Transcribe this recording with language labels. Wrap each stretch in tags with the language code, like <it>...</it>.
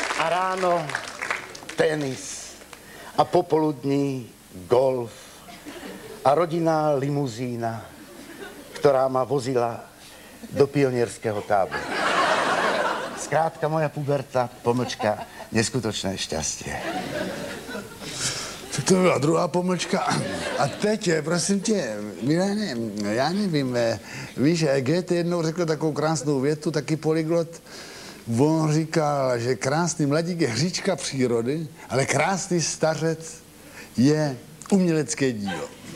<sk>Ano, tenis a popoludní golf a rodinná limuzína, která má vozila do pionierského tábora. Zkrátka moja puberta, pomlčka, neskutočné šťastie.</sk> <cs>To byla druhá pomlčka. A teď, prosím tě, Miláne, já nevím, víš, Goethe jednou řekl takovou krásnou větu, taky poliglot, on říkal, že krásný mladík je hříčka přírody, ale krásný stařec je umělecké dílo.</cs>